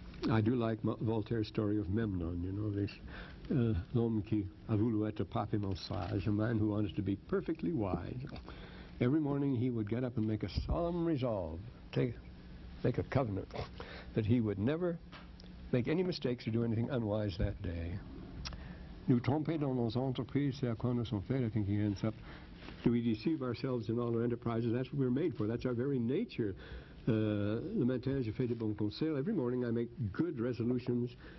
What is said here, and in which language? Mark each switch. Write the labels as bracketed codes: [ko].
[en] I do like Voltaire's story of Memnon, you know, this [fr] l'homme qui a voulu être parfaitement sage, [en] a man who wanted to be perfectly wise. Every morning he would get up and make a solemn resolve, make a covenant that he would never make any mistakes or do anything unwise that day. [fr] Nous tromper dans nos entreprises, c'est à quoi nous sommes faits, [en] I think he ends up. Do we deceive ourselves in all our enterprises? That's what we're made for. That's our very nature. [fr] Le matin, je fais de bons conseils. [en] Every morning I make good resolutions.